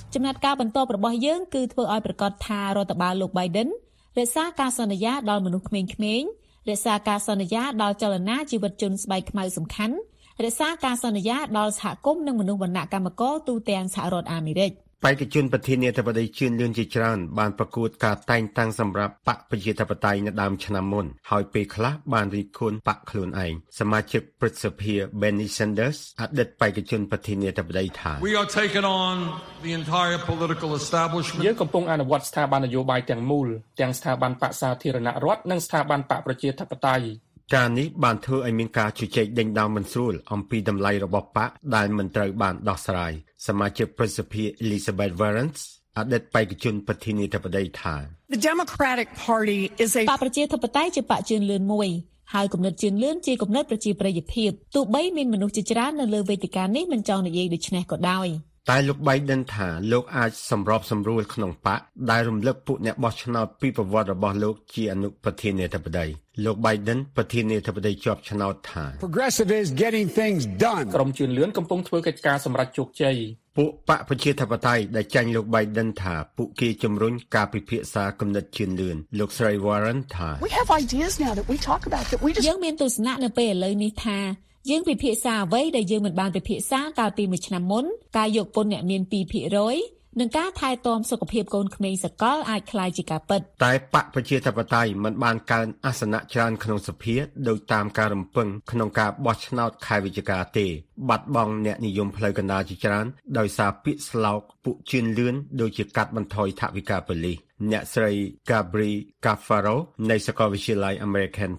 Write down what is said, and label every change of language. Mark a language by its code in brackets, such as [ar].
[km] ចំណាត់ការបន្តរបស់យើងគឺធ្វើឲ្យប្រកាសថារដ្ឋបាលលោក Biden រក្សាការសន្យាដល់មនុស្សក្មេងរក្សាការសន្យាដល់ចលនាជីវិតជនស្បែកខ្មៅសំខាន់រក្សាការសន្យាដល់សហគមន៍និងមនុស្សវណ្ណៈកម្មករទូទាំងសហរដ្ឋអាមេរិក បេក្ខជនប្រធានាធិបតីជឿនលឿនជាច្រើនបានប្រកួតការតែងតាំងសម្រាប់បកប្រជាធិបតេយ្យនៅដើមឆ្នាំមុនហើយពេលខ្លះបានរីកគុណបកខ្លួនឯងសមាជិកព្រឹទ្ធសភា Bernie Sanders អតីតបេក្ខជនប្រធានាធិបតីថា [en] We are taking on the entire political establishment [km] យើងកំពុងអនុវត្តស្ថាប័ននយោបាយទាំងមូលទាំងស្ថាប័នបកសាធារណរដ្ឋនិងស្ថាប័នបកប្រជាធិបតេយ្យ ការនេះបានធ្វើឲ្យមានការជជែកដេញដោលមិនស្រួលអំពីតម្លៃរបស់បកដែលមិនត្រូវបានដោះស្រាយសមាជិកព្រឹទ្ធសភា Elizabeth Warrens អតីតបេក្ខជនប្រធានាធិបតីថា [en] The Democratic Party is [km] a ប្រជាធិបតេយ្យជាបកជឿនលឿនមួយហើយគំនិតជឿនលឿនជាគំនិតប្រជាប្រិយភាពទោះបីមានមនុស្សជាច្រើននៅលើវេទិកានេះមិនចង់និយាយដូច្នេះក៏ដោយ តែលោក Biden ថាលោកអាចសម្របសម្រួលក្នុងបកដែលរំលឹកពួកអ្នកបោះឆ្នោតពីប្រវត្តិរបស់លោកជាអនុប្រធានាធិបតីលោក Biden ប្រធានាធិបតីជាប់ឆ្នោតថា [en] Progressive is getting things done [km] ក្រុមជឿនលឿនកំពុងធ្វើកិច្ចការសម្រាប់ជោគជ័យ ពួកបកប្រជាធិបតេយ្យដែលចាញ់លោក Biden ថាពួកគេជំរុញការពិភាក្សាគំនិតជឿនលឿនលោកស្រី Warren ថា [en] We have ideas now that we talk about that we just [km] យើងមានទស្សនៈនៅពេលឥឡូវនេះថាយើងពិភាក្សាអ្វីដែលយើងមិនបានពិភាក្សាកាលពីមួយឆ្នាំមុនការយកពន្ធអ្នកមាន 2% និងការថែទាំសុខភាពកូនក្មេងសកលអាចខ្លាយជាការពិត តែបកប្រជាធិបតេយ្យមិនបានកើនអសនៈច្រើនក្នុងសភាដោយតាមការរំពឹងក្នុងការបោះឆ្នោតខែវិច្ឆិកាទេបាត់បង់អ្នកនិយមផ្លូវកណ្ដាលជាច្រើនដោយសារពាក្យស្លោកពួកជឿនលឿនដូចជាកាត់បន្ថយថវិកាប៉ូលីសអ្នកស្រី Gabrie Cafaro នៃសាកលវិទ្យាល័យ American